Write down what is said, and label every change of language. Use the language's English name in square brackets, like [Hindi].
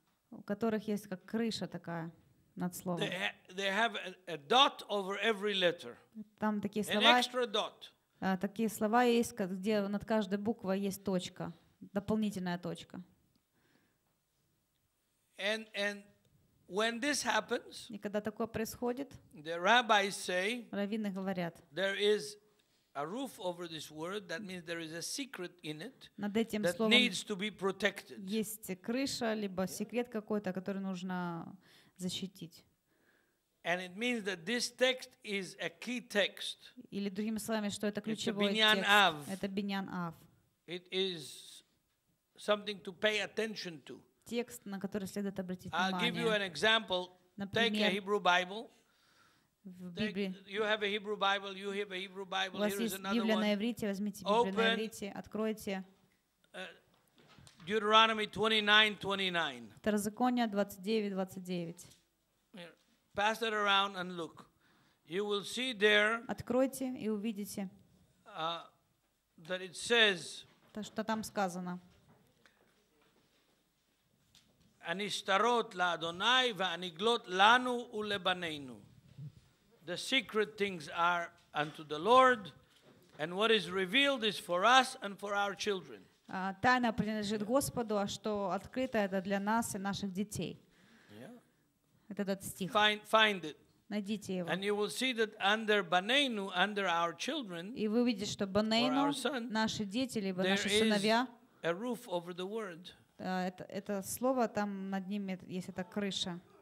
[Russian] У которых есть как крыша такая над словом. [English] They have a dot over every letter. [Russian] Там такие слова. [English] An extra dot. [Russian] Такие слова есть, где над каждой буквой есть точка. Дополнительная точка. [English] And when this happens, [Russian] и когда такое происходит, [English] the rabbis say, [Russian] раввины говорят, [English] there is a roof over this word, that means there is a secret in it [Russian] над этим [English] that [Russian] словом [English] needs to be protected. [Russian] Есть крыша, либо секрет какой-то, который нужно защитить. [English] And it means that this text is a key text. [Russian] Или другими словами, что это ключевой [English] it's a Binyan Av. [Russian] Текст. Это Binyan Av. [English] It is something to pay attention to. [Russian] Текст, на который следует обратить внимание. [English] I'll give you an example. [Russian] Например, [English] take a Hebrew Bible. Take, you have a Hebrew Bible. You have a Hebrew Bible. Here is another one. [Russian] У вас есть Библия на иврите. Возьмите Библию на иврите. Откройте. [English] Deuteronomy 29:29. [Russian] Второзаконие 29:29. [English] Pass it around and look. You will see there. [Russian] Откройте и увидите. [English] That it says. [Russian] То, что там сказано. [Hebrew] Anistarot la Adonai va'aniglot lanu ulebaneinu. [English] The secret things are unto the Lord, and what is revealed is for us and for our children. [Russian] Тайна принадлежит Господу, а что открыто это для нас и наших детей. Этот стих. [English] Find it. [Russian] Найдите его. [English] And you will see that under baneinu, under our children, [Russian] и вы увидите, что baneinu, наши дети либо наши сыновья, [English] a roof over the word. [Russian] Это слово там над ними есть эта крыша.